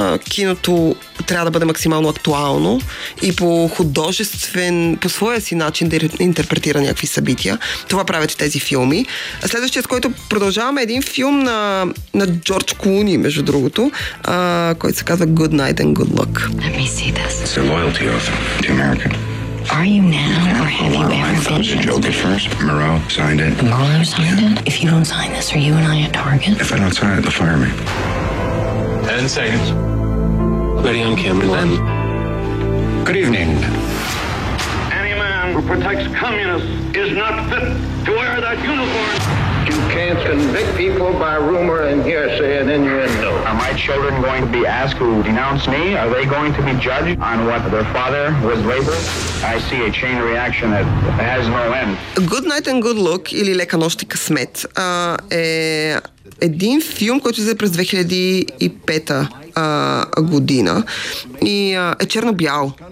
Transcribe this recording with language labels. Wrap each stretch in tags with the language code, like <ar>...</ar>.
<bg>Киното трябва да бъде максимално актуално и по художествен, по своя си начин да интерпретира някакви събития. Това правят тези филми. Следващия, с който продължаваме, един филм на Джордж Клуни, между другото, който се казва Good Night and Good Luck.</bg> <en>Let me see this. It's a loyalty oath to America. Are you now, or have you ever been? I thought it was a joke at first. Moreau signed it. Moreau signed it? If you don't sign this, are you and I at target? If I don't sign it, they'll fire me. 10 seconds. Ready on camera, then. Good evening. Any man who protects communists is not fit to wear that uniform. You can't convict people by rumor and hearsay and innuendo. Are my children going to be asked who denounced me? Are they going to be judged on what their father was labeled? I see a chain reaction that has no end.</en> <bg>Good night and good luck, или Лека нощ и късмет, е един филм, който излезе през 2005 година и е черно-бял.</bg>